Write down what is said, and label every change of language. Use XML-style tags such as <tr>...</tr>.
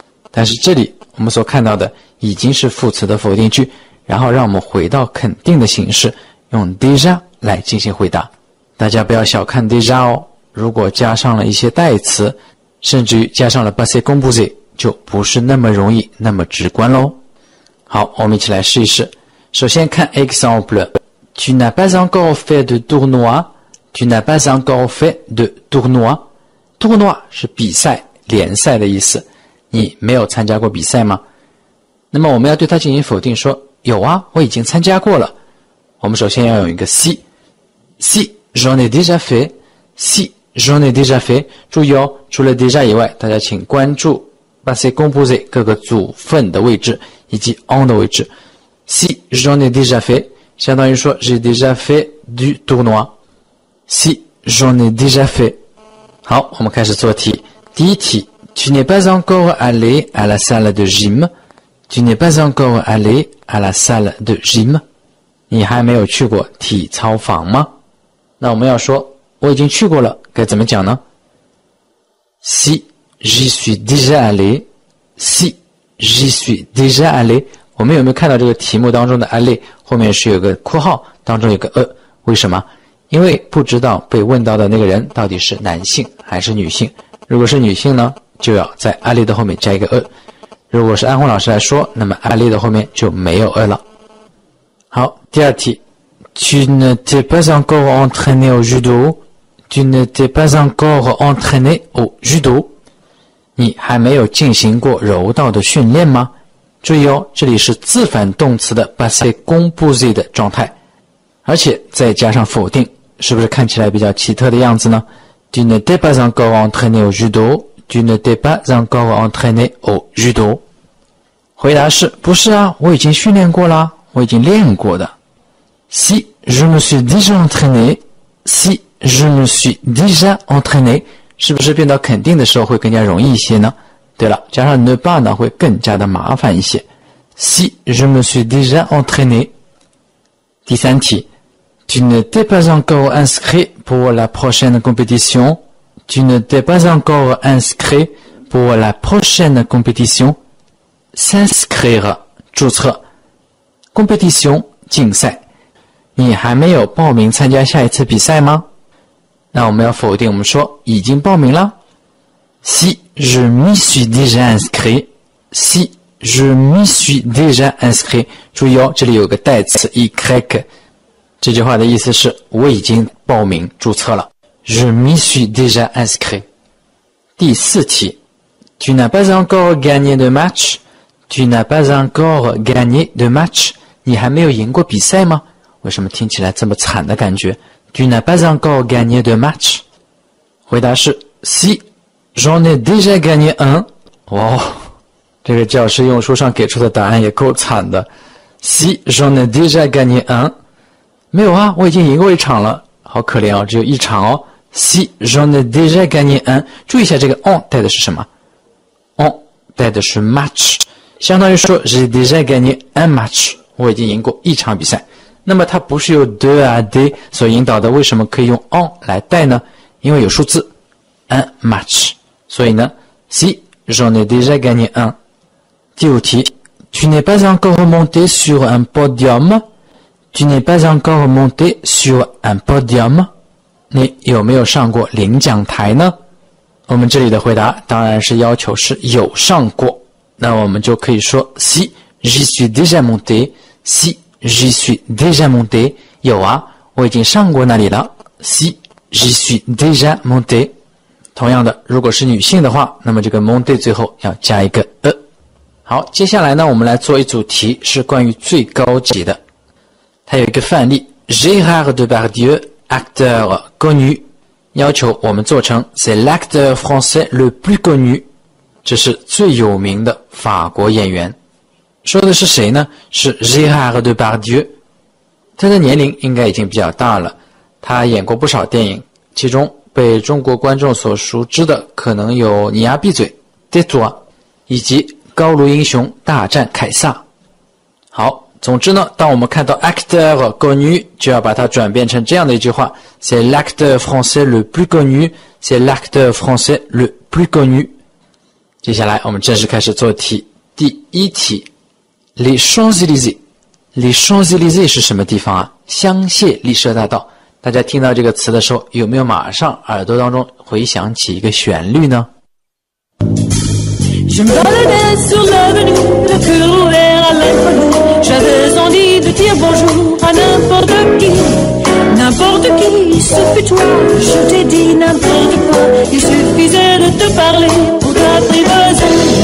<zh>但是这里我们所看到的已经是副词的否定句，然后让我们回到肯定的形式，用 déjà 来进行回答。大家不要小看 déjà 哦，如果加上了一些代词，甚至于加上了 passé composé， 就不是那么容易那么直观咯。好，我们一起来试一试。首先看</zh> <fr>exemple， Tu n'as pas encore fait de tournoi， Tu n'as pas encore fait de tournoi。</fr> <zh>Tournoi 是比赛联赛的意思，你没有参加过比赛吗？那么我们要对它进行否定，说有啊，我已经参加过了。我们首先要用一个</zh> <fr>si j'en ai déjà fait，</fr> <zh>si j'en ai déjà fait， 注意哦，除了 déjà 以外，大家请关注 passé composé 各个组分的位置以及 on 的位置。</zh> <fr>si j'en ai déjà fait</fr> <zh>相当于说</zh> <fr>j'ai déjà fait du tournoi， si j'en ai déjà fait。</fr> <zh>好，我们开始做题。</zh> <fr>第一题， Tu n'es pas encore allé à la salle de gym， Tu n'es pas encore allé à la salle de gym，</fr> <zh>你还没有去过体操房吗？那我们要说我已经去过了，该怎么讲呢？</zh> <fr>Si j'y suis déjà allé，</fr> <zh>Si j'y suis déjà allé， 我们有没有看到这个题目当中的 allé 后面是有个括号，当中有个为什么？因为不知道被问到的那个人到底是男性还是女性。如果是女性呢，就要在 allé 的后面加一个如果是安红老师来说，那么 allé 的后面就没有了。</zh> <fr>好，第二题， Tu ne t'es pas encore entraîné au judo， Tu ne t'es pas encore entraîné au judo，</fr> <zh>你还没有进行过柔道的训练吗？注意哦，这里是自反动词的 passé composé 的状态，而且再加上否定，是不是看起来比较奇特的样子呢？</zh> <fr>Tu ne t'es pas encore entraîné au judo， Tu ne t'es pas encore entraîné au judo，</fr> <zh>回答是不是啊，我已经训练过了，我已经练过的。</zh> <fr>Si je me suis déjà entraîné， Si je me suis déjà entraîné，</fr> <zh>是不是变到肯定的时候会更加容易一些呢？对了，加上 ne pas 呢会更加的麻烦一些。</zh> <fr>Si je me suis déjà entraîné。第三题， Tu n'étais pas encore inscrit pour la prochaine compétition， tu ne t'es pas encore inscrit pour la prochaine compétition.</fr> <zh>S'inscrire, 注册, compétition, 竞赛。你还没有报名参加下一次比赛吗？那我们要否定，我们说已经报名了。</zh> <fr>Si je m'y suis déjà inscrit, si je m'y suis déjà inscrit,</fr> <zh>注意哦，这里有个代词</zh> <fr>y crec, 这句话的意思是我已经报名注册了。 Je m'y suis déjà inscrit.</fr> <zh>第四题</zh> <fr>Tu n'as pas encore gagné de match? Tu n'as pas encore gagné de match?</fr> <zh>你还没有赢过比赛吗？为什么听起来这么惨的感觉？</zh> <fr>Tu n'as pas encore gagné de match?</fr> <zh>回答是</zh> <fr>Si, j'en ai déjà gagné un.</fr> <zh>哇、哦、这个教师用书上给出的答案也够惨的。</zh> <fr>Si, j'en ai déjà gagné un.</fr> <zh>没有啊，我已经赢过一场了。好可怜哦，只有一场哦。</zh> <fr>Si j'en ai déjà gagné un,</fr> <zh>注意一下这个 on 带的是什么？ on 带的是 match, 相当于说</zh> <fr>j'ai déjà gagné un match,</fr> <zh>我已经赢过一场比赛。那么它不是由 de 啊 de 所引导的，为什么可以用 on 来带呢？因为有数字 un match, 所以呢</zh> <fr>Si j'en ai déjà gagné un. 第五题 Tu n'es pas encore monté sur un podium? Tu n'es pas encore monté sur un podium?</fr> <zh>你有没有上过领奖台呢？我们这里的回答当然是要求是有上过。那我们就可以说</zh> <fr>Si, j'y suis déjà monté. Si, j'y suis déjà monté.</fr> <zh>有啊，我已经上过那里了。</zh> <fr>Si, j'y suis déjà monté.</fr> <zh>同样的，如果是女性的话，那么这个 monté 最后要加一个 e。好，接下来呢，我们来做一组题，是关于最高级的。他有一个范例 Gérard Depardieu, acteur connu, 要求我们做成</zh> <fr>C'est l'acteur français le plus connu,</fr> <zh>这是最有名的法国演员。说的是谁呢？是 Gérard Depardieu, 他的年龄应该已经比较大了，他演过不少电影，其中被中国观众所熟知的可能有你丫闭嘴 Détour, 以及高卢英雄大战凯撒。好，总之呢，当我们看到 acteur connu, 就要把它转变成这样的一句话</zh> <fr>C'est l'acteur français le plus connu, c'est l'acteur français le plus connu.</fr> <zh>接下来我们正式开始做题。第一题 Les Champs-Élysées, Les Champs-Élysées 是什么地方啊？香榭丽舍大道。大家听到这个词的时候，有没有马上耳朵当中回想起一个旋律呢？</zh> <fr>Je me baladais sur l'avenue, le cœur ouvert à l'inconnu. J'avais envie de dire bonjour à n'importe qui, ce fut toi. Je t'ai dit n'importe quoi, il suffisait de te parler pour t'apprivoiser.</fr>